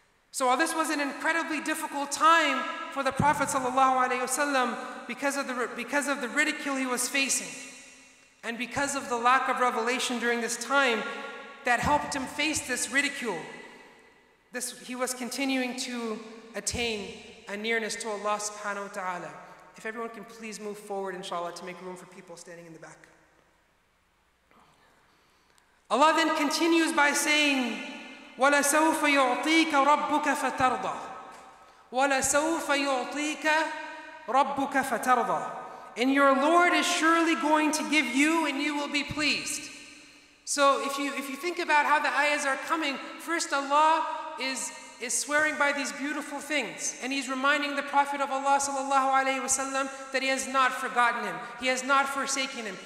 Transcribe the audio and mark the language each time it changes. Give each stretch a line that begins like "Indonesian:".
English: So while this was an incredibly difficult time for the Prophet sallallahu alaihi wasallam because of the ridicule he was facing and because of the lack of revelation during this time that helped him face this ridicule, he was continuing to attain a nearness to Allah subhanahu wa ta'ala. If everyone can please move forward, inshallah, to make room for people standing in the back. Allah then continues by saying,
Arabic: وَلَسَوْفَ يُعْطِيكَ رَبُّكَ فَتَرْضَى. وَلَسَوْفَ يُعْطِيكَ رَبُّكَ فَتَرْضَى.
English: and your Lord is surely going to give you, and you will be pleased. So if you think about how the ayahs are coming, first Allah is swearing by these beautiful things, and he's reminding the Prophet of Allah sallallahu alaihi wasallam that he has not forgotten him, he has not forsaken him.